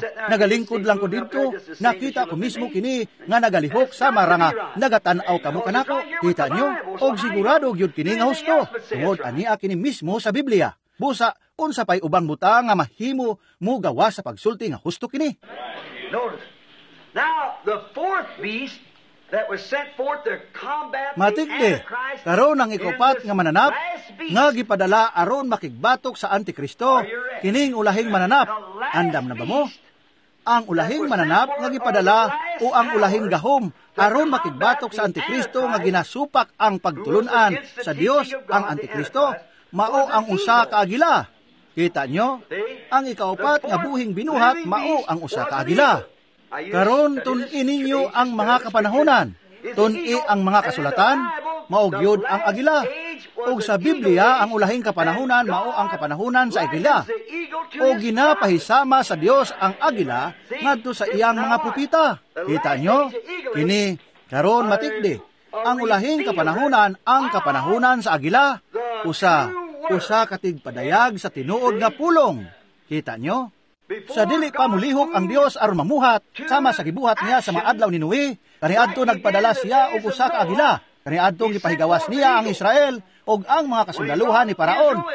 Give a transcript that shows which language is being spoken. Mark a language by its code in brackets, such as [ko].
[ceb] Nagalingkod lang ko dito, nakita ko mismo kini nga nagalihok sa maranga nagatanaw kamo kanako. Kita nyo, o sigurado gyud kini nga husto. Tungod ania kini mismo sa Biblia. Busa, unsa pay ubang buta nga mahimo mo gawa sa pagsulti nga husto kini. [en] Notice. Now, the fourth beast that was sent forth to combat the [ceb] Antichrist. Karon ang ikupat nga mananap nga gipadala aron makigbatok sa Antikristo, kining ulahing mananap. Andam na ba mo? Ang ulahing mananap nga gipadala o ang ulahing gahom aron makigbatok sa Antikristo nga ginasupak ang pagtulunan sa Dios ang Antikristo, mao ang usa ka agila. Kita nyo, ang ikaupat nga buhing binuhat mao ang usa ka agila. Karon tun-i ninyo ang mga kapanahonan, tun-i ang mga kasulatan, mao gyud ang agila. Ug sa Biblia, ang ulahing kapanahonan mao ang kapanahonan sa agila. O ginapahisama sa Dios ang agila ngadto sa iyang mga pupita. Kita nyo, kini karon matikde, ang ulahing kapanahonan ang kapanahonan sa agila. Usa katigpadayag sa tinuod nga pulong. Kita nyo? Sa dili pa mulihok ang Dios aron mamuhat, sama sa gibuhat niya sa maadlaw ni Noe, kaniadto nagpadala siya og usa ka agila. Kaniadto gipahigawas niya ang Israel og ang mga kasundalohan ni Paraon.